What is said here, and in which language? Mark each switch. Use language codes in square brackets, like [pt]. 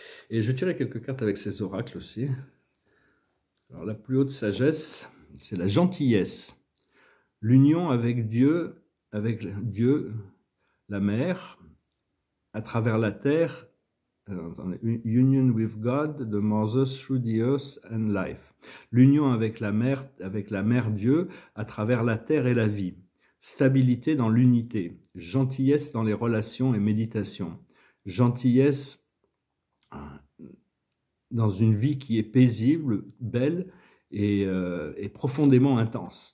[fr] Et je tirais quelques cartes avec ces oracles aussi. Alors la plus haute sagesse, c'est la gentillesse, l'union avec Dieu, la mère, à travers la terre. [en] Union with God, the Mother through the earth and life. [fr] L'union avec la mère Dieu à travers la terre et la vie. Stabilité dans l'unité. Gentillesse dans les relations et méditation. Gentillesse dans une vie qui est paisible, belle et profondément intense.